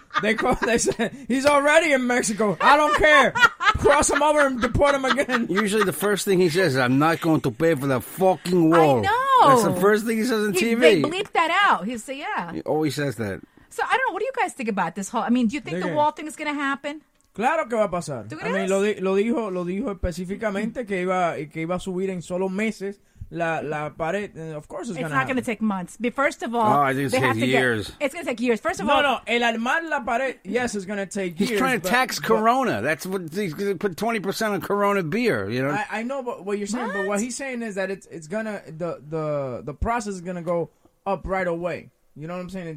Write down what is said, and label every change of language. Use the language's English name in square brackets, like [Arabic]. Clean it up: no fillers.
[English] They said, "He's already in Mexico. I don't care. Cross him over and deport him again." Usually the first thing he says is, "I'm not going to pay for the fucking wall." I know. That's the first thing he says on TV. They bleep that out. He said, yeah. He always says that. So, I don't know. What do you guys think about this whole... I mean, do you think the wall thing is going to happen? [Spanish] Claro que va a pasar. Lo dijo específicamente que iba a subir en solo meses la pared. [English] And of course, it's going to happen. It's not going to take months. But first of all... Oh, I think it's going to take years. It's going to take years. First of all... No. [Spanish] El armar la pared, [English] yes, it's going to take years. He's trying to tax Corona. That's what... He's going to put 20% on Corona beer, you know? I know what you're saying, but what he's saying is that it's going to... The process is going to go up right away. You know what I'm saying?